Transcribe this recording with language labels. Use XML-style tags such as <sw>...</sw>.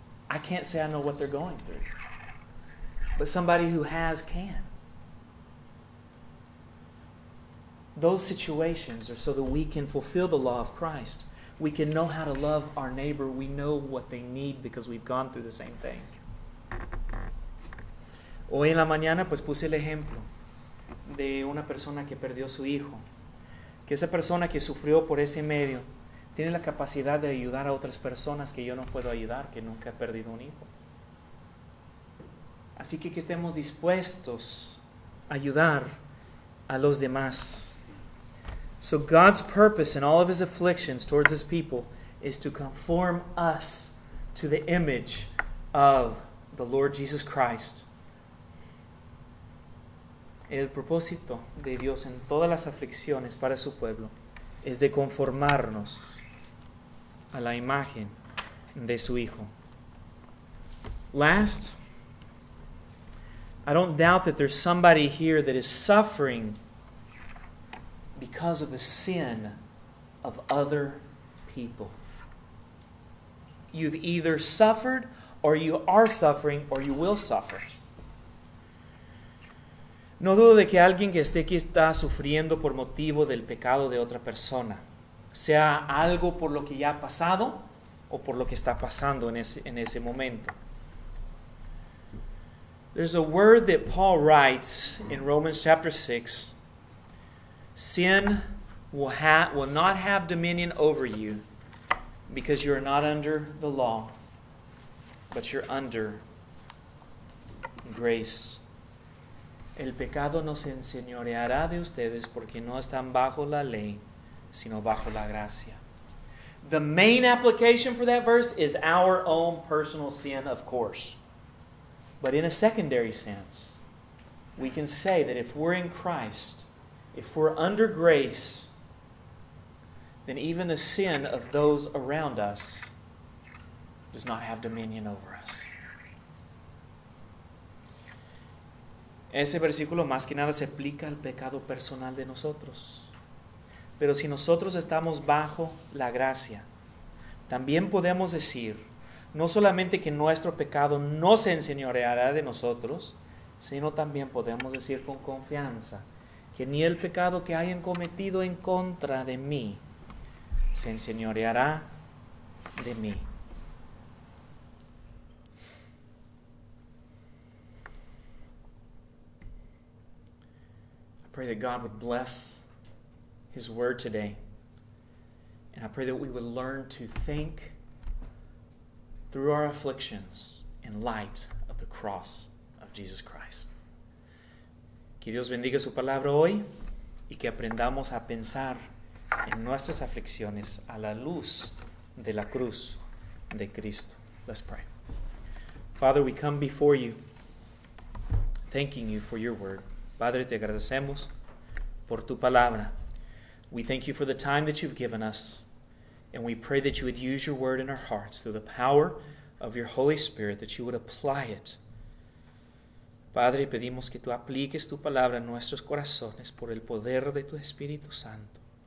<en>I can't say I know what they're going through, but somebody who has can. Those situations are so that we can fulfill the law of Christ. We can know how to love our neighbor. We know what they need because we've gone through the same thing.</en> <es>Hoy en la mañana, pues puse el ejemplo de una persona que perdió su hijo. Que esa persona que sufrió por ese medio tiene la capacidad de ayudar a otras personas que yo no puedo ayudar, que nunca he perdido un hijo. Así que estemos dispuestos a ayudar a los demás.</es> <en>So God's purpose in all of his afflictions towards his people is to conform us to the image of the Lord Jesus Christ.</en> <es>El propósito de Dios en todas las aflicciones para su pueblo es de conformarnos a la imagen de su Hijo.</es> <en>Last, I don't doubt that there's somebody here that is suffering because of the sin of other people. You've either suffered, or you are suffering, or you will suffer.</en> <es>No dudo de que alguien que esté aquí está sufriendo por motivo del pecado de otra persona. Sea algo por lo que ya ha pasado o por lo que está pasando en ese momento.</es> <en>There's a word that Paul writes in Romans chapter 6. Sin will not have dominion over you because you are not under the law, but you're under grace.</en> <es>El pecado no se enseñoreará de ustedes porque no están bajo la ley, sino bajo la gracia.</es> <en>The main application for that verse is our own personal sin, of course. But in a secondary sense, we can say that if we're in Christ, if we're under grace, then even the sin of those around us does not have dominion over us.</en> <es>Ese versículo más que nada se aplica al pecado personal de nosotros. Pero si nosotros estamos bajo la gracia, también podemos decir, no solamente que nuestro pecado no se enseñoreará de nosotros, sino también podemos decir con confianza que ni el pecado que hayan cometido en contra de mí se enseñoreará de mí.</es> <en>I pray that God would bless his word today. And I pray that we would learn to think through our afflictions in light of the cross of Jesus Christ.</en> <es>Que Dios bendiga su palabra hoy y que aprendamos a pensar en nuestras aflicciones a la luz de la cruz de Cristo.</es> <en>Let's pray. Father, we come before you, thanking you for your word.</en> <es>Padre, te agradecemos por tu palabra.</es> <en>We thank you for the time that you've given us, and we pray that you would use your word in our hearts through the power of your Holy Spirit, that you would apply it.</en> <es>Padre, pedimos que tú apliques tu palabra en nuestros corazones por el poder de tu Espíritu Santo.</es>